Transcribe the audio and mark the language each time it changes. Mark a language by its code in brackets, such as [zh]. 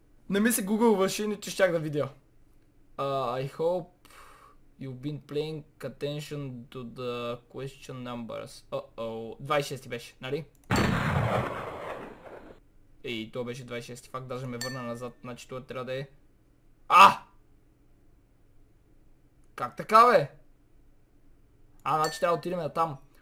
[bg] Не ми се гугълваш, иначе щях да видя. [en] I hope you've been paying attention to the question numbers. [bg] Uh-oh. 26-ти беше, нали? Ей, то беше 26-ти факт, даже ме върна назад, значи това трябва да е... А! Как така, бе? А, значи трябва да отидем на там.